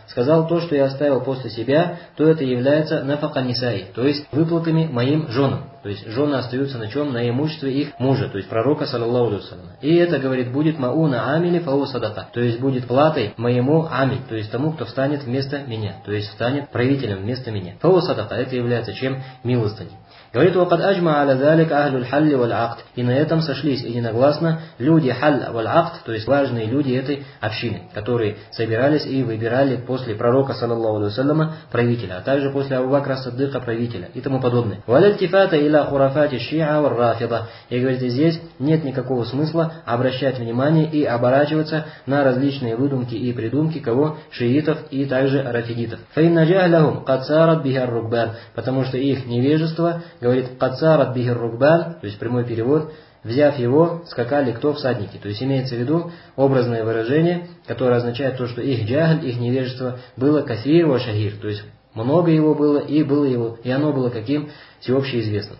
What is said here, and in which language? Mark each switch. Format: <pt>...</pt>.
<ru>Сказал, то, что я оставил после себя, то это является нафака нисаи, то есть выплатами моим женам. То есть жены остаются на чем? На имуществе их мужа, то есть пророка, саллаллаху алейхи ва саллям. И это, говорит, будет</ru> <ar>мауна амили фау садака.</ar> <ru>То есть будет платой моему ами, то есть тому, кто встанет вместо меня. То есть встанет правителем вместо меня.</ru> <ar>Фау садака,</ar> <ru>это является чем? Милостыней. Говорит,</ru> <ar>وقد اجمع على ذلك اهل الحل والعقد.</ar> <ru>И на этом сошлись единогласно люди халь валь-акд, то есть важные люди этой общины, которые собирались и выбирали после пророка саллаллаху алейхи ва саллям правителя, а также после Абу Бакра ас-Сиддика правителя и тому подобное.</ru> <ar>Валь-ильтифата иля хурафати ши'а вар-рафида.</ar> <ru>И говорит, здесь нет никакого смысла обращать внимание и оборачиваться на различные выдумки и придумки кого? Шиитов и также рафидитов.</ru> <ar>فإن جهلهم قد سارت به الركبان.</ar> <ru>Потому что их невежество, говорит,</ru> <ar>«Кацарат бихир рукбан»,</ar> <ru>то есть прямой перевод, «взяв его, скакали кто? Всадники». То есть имеется в виду образное выражение, которое означает то, что их джагль, их невежество было</ru> <ar>«касир ва шахир»,</ar> <ru>то есть много его было, и было его, и оно было каким? Всеобще известно.</ru>